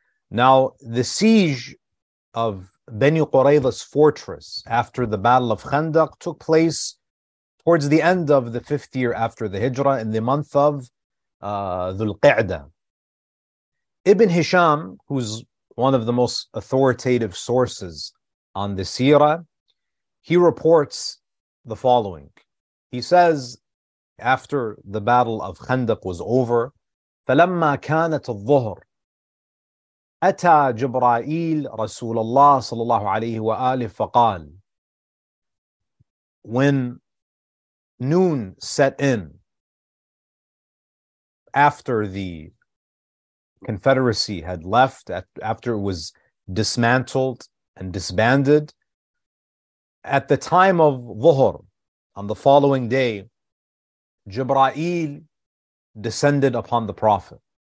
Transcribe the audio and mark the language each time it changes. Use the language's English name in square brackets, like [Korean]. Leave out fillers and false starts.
[English] Now, the siege of Bani Qurayza's fortress after the Battle of Khandaq took place towards the end of the fifth year after the Hijrah, in the month of Dhul-Qa'dah. Ibn Hisham, who's one of the most authoritative sources on the Seerah, he reports the following. He says, after the battle of Khandaq was over, [Arabic] فَلَمَّا كَانَتَ الظُّهْرِ أَتَى جِبْرَائِيلِ رَسُولَ اللَّهِ صَلَى اللَّهُ عَلَيْهِ وَآلِهِ فَقَالِ. [English] When noon set in after the Confederacy had left, after it was dismantled and disbanded, at the time of Dhuhr, on the following day, Jibra'il descended upon the Prophet.